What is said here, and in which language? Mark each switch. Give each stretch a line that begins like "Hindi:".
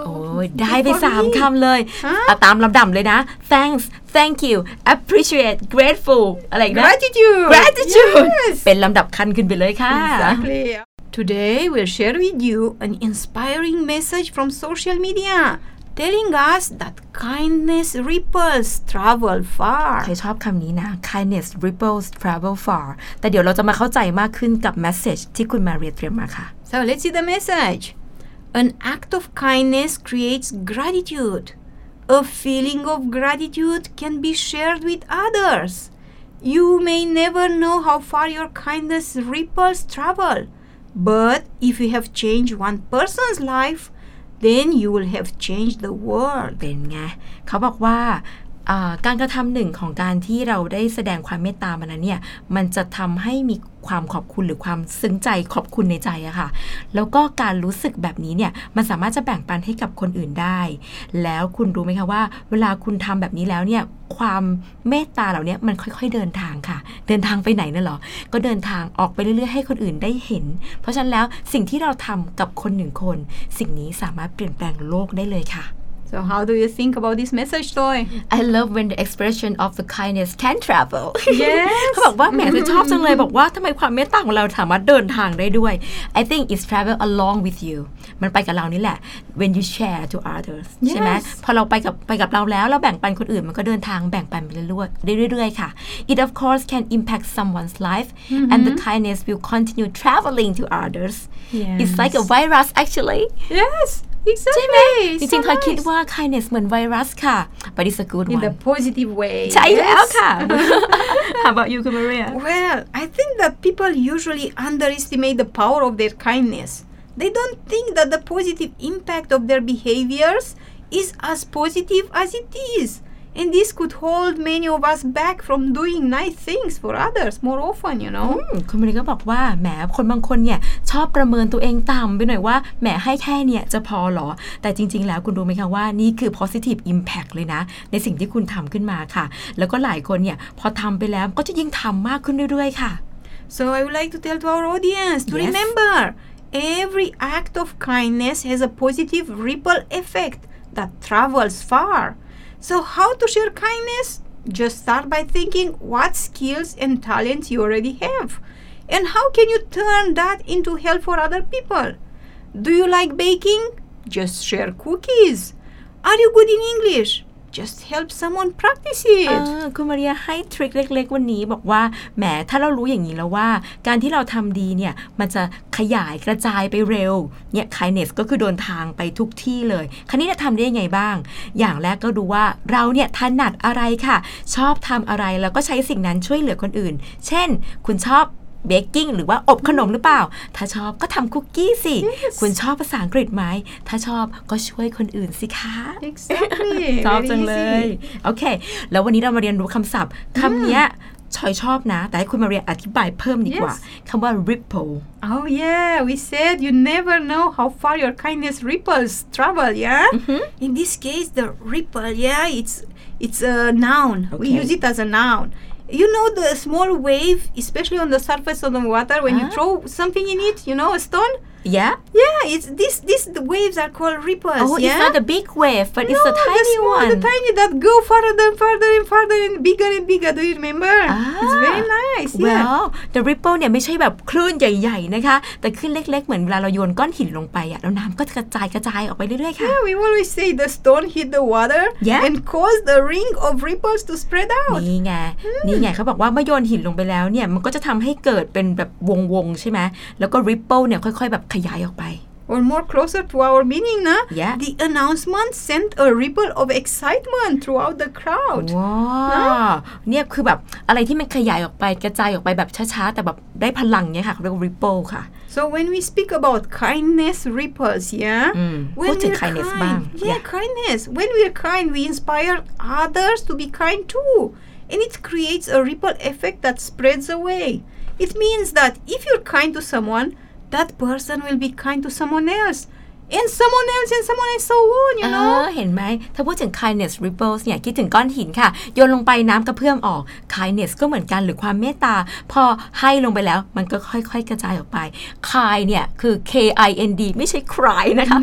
English: did for me.
Thai: ได้ไป 3 คำเลย ตามลำดับเลยนะ
English: Thanks, thank you, appreciate, grateful.
Thai: อะไรนะ
English: Gratitude. Gratitude. Yes.
Thai: เป็นลำดับขั้นขึ้นไปเลยค่ะ
English: Exactly. Today, we'll share with you an inspiring message from social media telling us that kindness ripples travel far.
Thai: ใครชอบคำนี้นะ
English: Kindness ripples travel far.
Thai: แต่เดี๋ยวเราจะมาเข้าใจมากขึ้นกับ message ที่คุณมาเรียนเตรียมมาค่ะ
English: So, let's see the message. An act of kindness creates gratitude. A feeling of gratitude can be shared with others. You may never know how far your kindness ripples travel. But if you have changed one person's life, then you will have changed the world.
Thai: เป็นไงเขาบอกว่าการกระทำหนึ่งของการที่เราได้แสดงความเมตตามานั้นเนี่ยมันจะทำให้มีความขอบคุณหรือความซึ้งใจขอบคุณในใจอะค่ะแล้วก็การรู้สึกแบบนี้เนี่ยมันสามารถจะแบ่งปันให้กับคนอื่นได้แล้วคุณรู้ไหมคะว่าเวลาคุณทำแบบนี้แล้วเนี่ยความเมตตาเหล่านี้มันค่อยๆเดินทางค่ะเดินทางไปไหนน่ะหรอก็เดินทางออกไปเรื่อยๆให้คนอื่นได้เห็นเพราะฉะนั้นแล้วสิ่งที่เราทำกับคนหนึ่งคนสิ่งนี้สามารถเปลี่ยนแปลงโลกได้เลยค่ะ
English: So how do you think about this message, Toy? I love when the expression of the kindness can travel. Yes.
Thai: เขาบอกว่าแม่คือชอบจังเลยบอกว่าทำไมความเมตตาของเราสามารถเดินทางได้ด้วย
English: I think it's travel along with you.
Thai: มันไปกับเรานี่แหละ
English: When you share to others. Yes.
Thai: ใช่ไหมพอเราไปกับเราแล้วเราแบ่งปันคนอื่นมันก็เดินทางแบ่งปันไปเรื่อยๆค่ะ
English: It of course can impact someone's life and the kindness will continue traveling to others. Yes. It's like a virus actually. Yes. Exactly.
Thai: ใช่ไหมจริงๆคอยคิดว่า kindness เหมือนไวรัสค่ะ
English: but it's a good one in the positive way
Thai: ใช่แล้วค่ะ
English: How about you, Maria? Well, I think that people usually underestimate the power of their kindness. They don't think that the positive impact of their behaviors is as positive as it is, and this could hold many of us back from doing nice things for others more often. You know,
Thai: คุณมารีก็บอกว่าแหมคนบางคนเนี่ยชอบประเมินตัวเองต่ำไปหน่อยว่าแหมให้แค่เนี่ยจะพอหรอแต่จริงๆแล้วคุณรู้ไหมคะว่านี่คือ positive impact เลยนะในสิ่งที่คุณทำขึ้นมาค่ะแล้วก็หลายคนเนี่ยพอทำไปแล้วก็จะยิ่งทำมากขึ้นเรื่อยๆค่ะ
English: so I would like to tell to our audience to remember every act of kindness has a positive ripple effect that travels far so how to share kindness just start by thinking what skills and talents you already haveAnd how can you turn that into help for other people? Do you like baking? Just share cookies. Are you good in English? Just help someone practice it.
Thai: คุณมาเรียให้ทริคเล็กๆวันนี้บอกว่าแหมถ้าเรารู้อย่างนี้แล้วว่าการที่เราทำดีเนี่ยมันจะขยายกระจายไปเร็วเนี่ย kindness ก็คือเดินทางไปทุกที่เลยคราวนี้จะทำได้ยังไงบ้างอย่างแรกก็ดูว่าเราเนี่ยถนัดอะไรค่ะชอบทำอะไรแล้วก็ใช้สิ่งนั้นช่วยเหลือคนอื่นเช่นคุณชอบเบกกิ้งหรือว่าอบขนมหรือเปล่าถ้าชอบก็ทำคุกกี้สิ
English: yes.
Thai: คุณชอบภาษาอังกฤษไหมถ้าชอบก็ช่วยคนอื่นสิคะ
English: exactly.
Thai: ชอบจังเลยโอเคแล้ววันนี้เรามาเรียนรู้คำศัพท์คำนี้ ชอยชอบนะแต่ให้คุณมาเรียอธิบายเพิ่มดีกว่า
English: yes.
Thai: คำว่า ripple
English: oh yeah we said you never know how far your kindness ripples travel yeah mm-hmm. in this case the ripple yeah it's a noun okay. we use it as a noun you know the small wave especially on the surface of the water when you throw something in it you know a stone yeah yeah it's this the waves are called ripples oh yeah? it's not a big wave but no, it's a tiny the small, one the tiny that go farther and farther and farther and bigger do you remember ah. it's very nice well yeah.
Thai: the ripple เนี่ยไม่ใช่แบบคลื่นใหญ่ๆนะคะแต่คลื่นเล็กๆเหมือนเวลาเราโยนก้อนหินลงไปอ่ะแล้วน้ำก็กระจายออกไปเรื่อยๆค่ะ
English: yeah we always say the stone hit the water yeah. and cause the ring of ripples to spread out
Thai: นี่ไง hmm. นี่ไงเขาบอกว่าเมื่อโยนหินลงไปแล้วเนี่ยมันก็จะทำให้เกิดเป็นแบบวงๆใช่ไหมแล้วก็ ripple เนี่ยค่อยๆแบบขยายออกไป
English: or more closer to our meaning นะ yeah. the announcement sent a ripple of excitement throughout the crowd
Thai: ว้าวเนี่ยคือแบบอะไรที่มันขยายออกไปกระจายออกไปแบบช้าๆแต่แบบได้พลังเนี่ยค่ะเขาเรียกว่า ripple ค่ะ
English: so when we speak about kindness ripples yeah when we're kindness kind yeah, yeah kindness when we're kind we inspire others to be kind too and it creates a ripple effect that spreads away it means that if you're kind to someoneThat person will be kind to someone else, and someone else, and someone else, so on. You know.
Thai: เห็นไหมถ้าพูดถึง kindness ripples เนี่ยคิดถึงก้อนหินค่ะโยนลงไปน้ำกระเพื่อมออก kindness ก็เหมือนกันหรือความเมตตาพอให้ลงไปแล้วมันก็ค่อยๆกระจายออกไป kind เนี่ยคือ kind ไม่ใช่ cry นะคะ